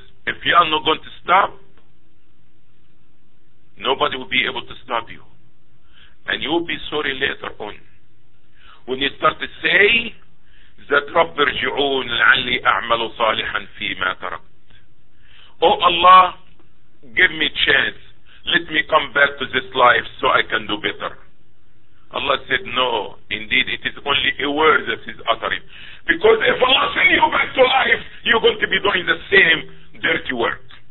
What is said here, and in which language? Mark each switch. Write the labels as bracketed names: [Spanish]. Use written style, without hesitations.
[English] If you are not going to stop, nobody will be able to stop you. And you will be sorry later on. When you start to say that [Arabic] رَبِّ ارْجِعُونَ لَعَلِّي أَعْمَلُ صَالِحًا فِي مَا تَرَكْتُ. [English] Oh Allah, give me a chance. Let me come back to this life so I can do better. Allah said, no, indeed it is only a word that is uttering. Because if Allah sends you back to life, you're going to be doing the same dirty work.